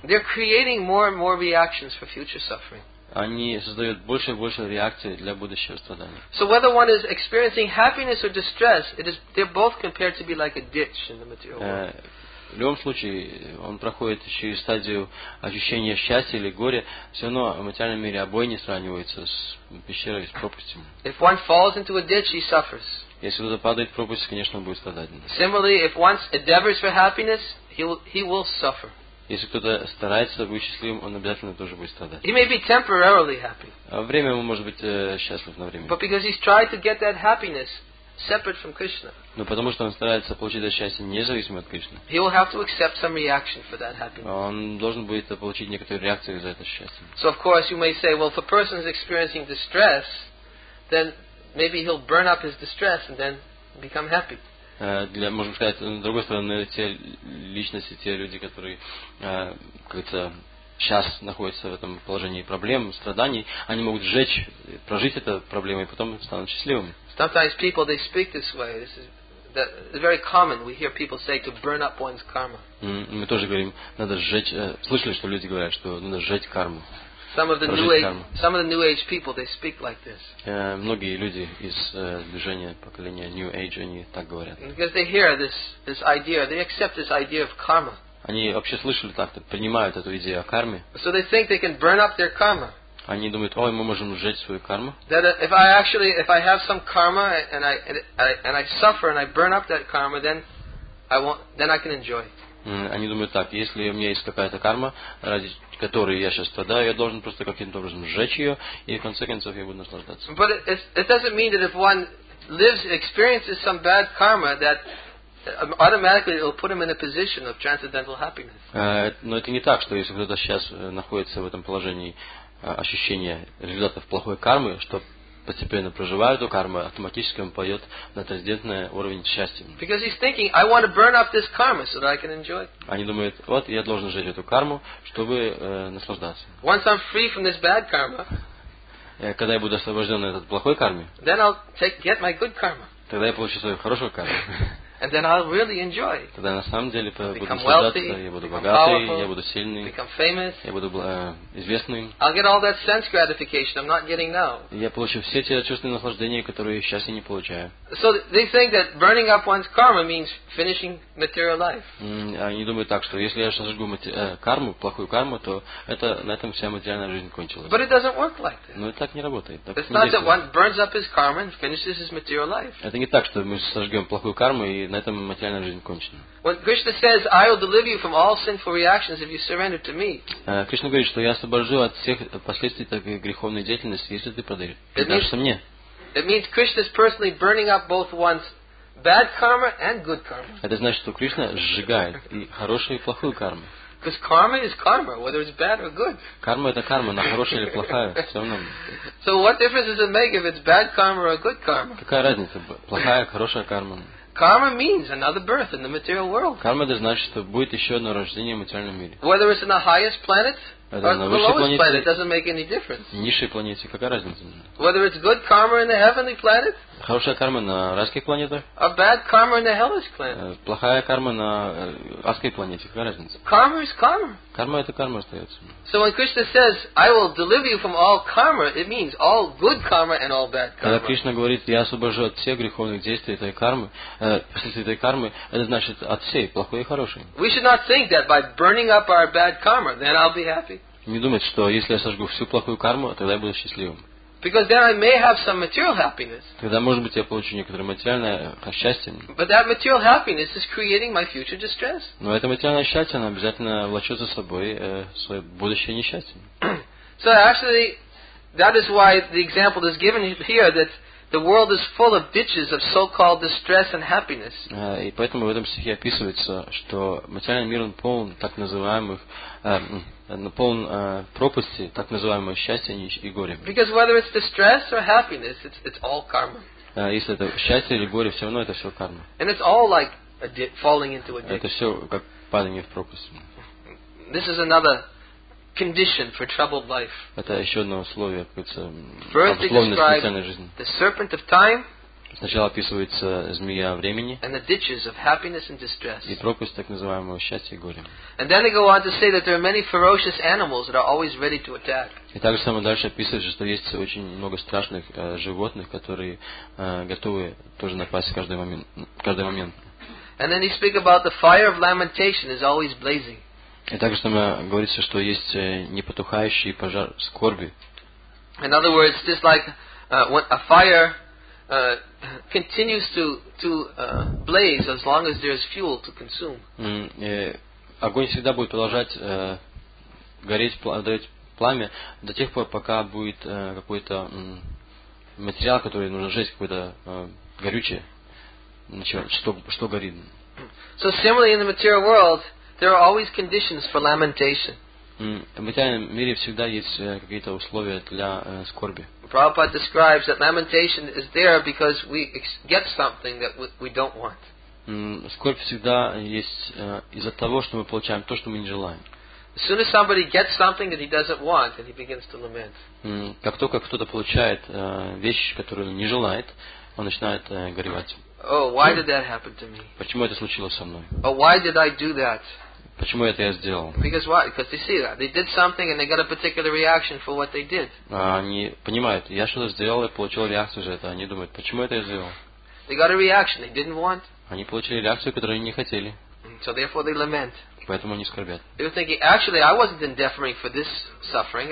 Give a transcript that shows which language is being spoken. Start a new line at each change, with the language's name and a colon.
English: They're creating more and more reactions for future suffering.
Russian: Они создают больше и больше реакций для будущего страдания.
English: So whether one is experiencing happiness or distress, they're both compared to be like a ditch in the material world.
Russian: В любом случае, он проходит через стадию ощущения счастья или горя, все равно в материальном мире обои не сравниваются с пещерой, с пропастью.
English: If one falls into a ditch, he suffers.
Russian: Если кто-то падает в пропасть, конечно, он будет страдать.
English: Similarly, if one endeavors for happiness, he will suffer.
Russian: Если кто-то старается быть счастливым, он обязательно тоже будет страдать.
English: He may be temporarily happy.
Russian: Время ему может быть счастлив на время.
English: But because he's tried to get that happiness separate from Krishna.
Russian: Но потому что он старается получить это счастье независимо от Кришны.
English: He will have to accept some reaction for that happiness.
Russian: Он должен будет получить некоторую реакцию за это счастье.
English: So of course you may say, well, if a person is experiencing distress, then maybe he'll burn up his distress and then become happy.
Russian: Для, можно сказать, с другой стороны, те личности, те люди, которые как-то сейчас находятся в этом положении проблем, страданий, они могут сжечь, прожить это проблему и потом станут счастливыми.
English: Sometimes people they speak this way. This is that is very common. We hear people say to burn up one's karma.
Russian: Мы тоже говорим, надо сжечь. Слышали, что люди говорят, что надо сжечь карму.
English: Some of the new age people they speak like this.
Russian: Многие люди из движения поколения New Age они так говорят.
English: Because they hear this idea, they accept this idea of karma.
Russian: Они вообще слышали так-то, принимают эту идею о карме.
English: So they think they can burn up their karma.
Russian: Они думают, ой, мы можем сжечь свою карму.
English: That if I actually, if I have some karma and I suffer and I burn up that karma, then I can enjoy.
Russian: Они думают так, если у меня есть какая-то карма, ради которой я сейчас страдаю, я должен просто каким-то образом сжечь ее, и в конце концов я буду наслаждаться.
English: But it doesn't mean that if one lives, experiences some bad karma, that automatically it will put him in a position of transcendental happiness.
Russian: Но это не так, что если кто-то сейчас находится в этом положении ощущение результатов плохой кармы, что постепенно проживая эту карму, автоматически он пойдет на трансцендентный уровень счастья.
English: Because he's thinking, I want to burn up this karma so that I can enjoy.
Russian: Они думают, вот я должен сжечь эту карму, чтобы наслаждаться.
English: Once I'm free from this bad karma,
Russian: когда я буду освобожден от плохой кармы,
English: then I'll get my good karma.
Russian: Тогда я получу свою хорошую карму.
English: And then I'll really enjoy.
Russian: Тогда на самом деле буду наслаждаться, я буду богатый, я буду сильный, я буду известным.
English: I'll get all that sense gratification I'm not getting now.
Russian: Я получу все те чувственные наслаждения, которые сейчас я не получаю.
English: So they think that burning up one's karma means finishing material life.
Russian: Они думают так, что если я сожгу карму, плохую карму, то это на этом вся материальная жизнь кончилась.
English: But it doesn't work like that.
Russian: Но так не работает.
English: It's not that one burns up his karma and finishes his material life.
Russian: Это не так, что мы сожгем плохую карму и на этом материальная жизнь кончена.
English: When Krishna says, "I will deliver you from all sinful reactions if you surrender to me,"
Russian: Кришна говорит, что я освобожу от всех последствий такой греховной деятельности, если ты предашься мне.
English: It means Krishna is personally burning up both one's bad karma and good karma.
Russian: Это значит, что Кришна сжигает и хорошую, и плохую карму.
English: Because karma is karma, whether it's bad or good.
Russian: Карма это карма, на хорошее или плохое, все равно.
English: So what difference does it make if it's bad karma or good karma?
Russian: Какая разница, плохая, хорошая карма?
English: Karma means another birth in the material world.
Russian: Карма это значит, что будет еще одно рождение в материальном мире.
English: Whether it's in the highest planet or the lowest planet, it doesn't make any difference.
Russian: Низшей планете, какая разница?
English: Whether it's good karma in the heavenly planet.
Russian: Хорошая карма на райской планете.
English: A bad karma in the hellish planet.
Russian: Плохая карма на адской планете, какая разница?
English: Karma is karma.
Russian: Карма это карма остается.
English: So when Krishna says, "I will deliver you from all karma," it means all good karma and all bad karma.
Russian: Когда Кришна говорит, я освобожу от всех греховных действий этой кармы, этой кармы, это значит от всей плохой и хорошей.
English: We should not think that by burning up our bad karma, then I'll be happy.
Russian: Не думать, что если я сожгу всю плохую карму, тогда я буду счастливым.
English: Because then I may have some material happiness.
Russian: Тогда, может быть, я получу некоторое материальное счастье.
English: But that material happiness is creating my future distress.
Russian: Но это материальное счастье, оно обязательно влечет за собой свое будущее несчастье.
English: So actually, that is why the example is given here that the world is full of ditches of so-called distress and happiness.
Russian: И поэтому в этом стихе описывается, что материальный мир он полон так называемых полон пропасти так называемого счастья и горя.
English: Because whether it's distress or happiness, it's all karma.
Russian: Если это счастье или горе, все равно это все карма.
English: And it's all like falling into a ditch.
Russian: Это все как падение в пропасть.
English: This is another condition for troubled life.
Russian: Это еще одно условие, какое-то обусловленное специальной жизни.
English: The serpent of time.
Russian: Сначала описывается змея времени.
English: And the ditches of happiness and distress.
Russian: И пропасть так называемого счастья и горя.
English: And then they go on to say that there are many ferocious animals that are always ready to attack.
Russian: И также само дальше описывается, что есть очень много страшных животных, которые готовы тоже напасть в каждый момент.
English: And then they speak about the fire of lamentation is always blazing.
Russian: И также там говорится, что есть непотухающий пожар скорби.
English: In other words, just like a fire continues to blaze as long as there is fuel to consume.
Russian: Огонь всегда будет продолжать гореть, дать пламя до тех пор, пока будет какой-то материал, который нужно сжечь, какое-то горючее, что горит.
English: So similarly in the material world, there are always conditions for lamentation.
Russian: В материальном мире всегда есть какие-то условия для скорби.
English: Prabhupada describes that lamentation is there because we get something that we don't want.
Russian: Скорбь всегда есть из-за того, что мы получаем то, что мы не желаем.
English: As soon as somebody gets something that he doesn't want, and he begins to lament.
Russian: Как только кто-то получает вещь, которую он не желает, он начинает горевать.
English: Oh, why did that happen to me?
Russian: Почему это случилось со мной?
English: Oh, why did I do that?
Russian: Почему это я сделал?
English: Because why? Because they see that. They did something and they got a particular reaction for what they did.
Russian: Они понимают, я что-то сделал и получил реакцию за это. Они думают, почему это я сделал?
English: They got a reaction they didn't want.
Russian: Они получили реакцию, которую они не хотели.
English: So therefore they lament.
Russian: Поэтому они скорбят.
English: They were thinking, actually, I wasn't endeavoring for this suffering.